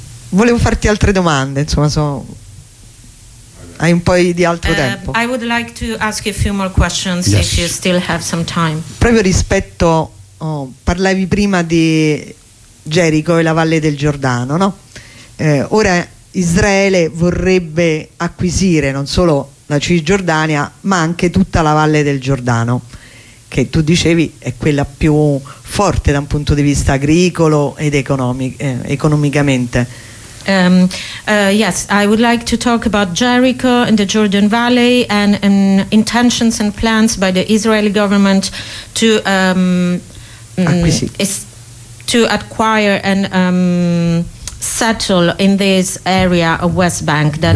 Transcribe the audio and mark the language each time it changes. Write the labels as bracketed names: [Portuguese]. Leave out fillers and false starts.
[Italian] Volevo farti altre domande, insomma, hai un po' di altro tempo. [English] I would like to ask a few more questions, yes, if you still have some time. [Italian] Proprio rispetto, parlavi prima di Gerico e la Valle del Giordano, no? Ora Israele vorrebbe acquisire non solo la Cisgiordania, ma anche tutta la Valle del Giordano, che tu dicevi è quella più forte da un punto di vista agricolo ed economicamente. [English] Yes, I would like to talk about Jericho and the Jordan Valley and intentions and plans by the Israeli government to acquire and settle in this area of West Bank that,